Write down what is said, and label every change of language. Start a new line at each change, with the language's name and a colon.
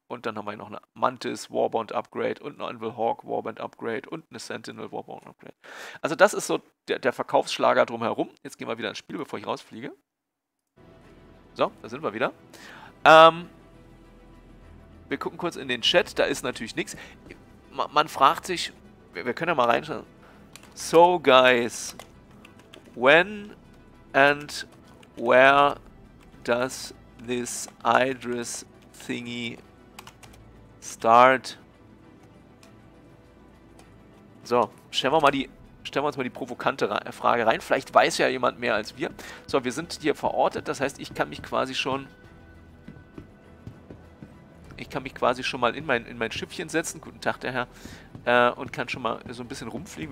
German: Und dann haben wir hier noch eine Mantis Warbond Upgrade und eine Anvil Hawk Warbond Upgrade und eine Sentinel Warbond Upgrade. Also das ist so der Verkaufsschlager drumherum. Jetzt gehen wir wieder ins Spiel, bevor ich rausfliege. So, da sind wir wieder. Wir gucken kurz in den Chat, da ist natürlich nichts. Man fragt sich, wir können ja mal reinschauen.
English: So, guys, when and where does this Eidris thingy start?
German: So, stellen wir uns mal die provokante Frage rein. Vielleicht weiß ja jemand mehr als wir. So, wir sind hier verortet. Das heißt, ich kann mich quasi schon mal in mein Schiffchen setzen. Guten Tag, der Herr. Und kann schon mal so ein bisschen rumfliegen.